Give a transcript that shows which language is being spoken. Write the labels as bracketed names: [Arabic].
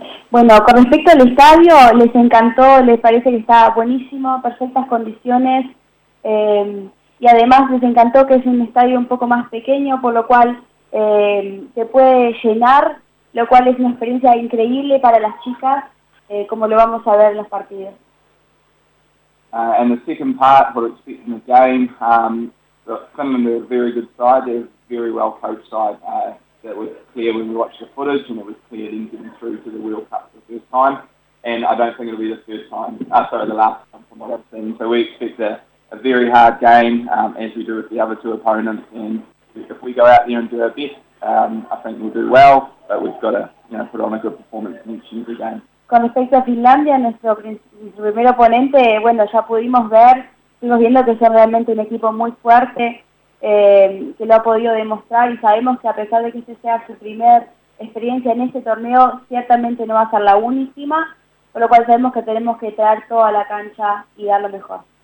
[Spanish] Bueno, con respecto al estadio, les encantó, les parece que está buenísimo, perfectas condiciones, y además les encantó que es un estadio un poco más pequeño, por lo cual se puede llenar, lo cual es una experiencia increíble para las chicas, como lo vamos a ver en los partidos. [English] And the second part, what to expect in the game, Finland are a very good side, they're a very well coached side. That was clear when we watched the footage, and it was clear in getting through to the World Cup for the first time. And I don't think it'll be the first time, the last time from what I've seen. So we expect a very hard game, as we do with the other two opponents. And if we go out there and do our best, I think we'll do well, but we've got to you know, put on a good performance and achieve again. [Spanish] Con respecto a Finlandia, nuestro primer oponente, bueno, ya pudimos ver, estuvimos viendo que son realmente un equipo muy fuerte, que lo ha podido demostrar, y sabemos que a pesar de que este sea su primer experiencia en este torneo, ciertamente no va a ser la última, por lo cual sabemos que tenemos que traer todo a la cancha y dar lo mejor.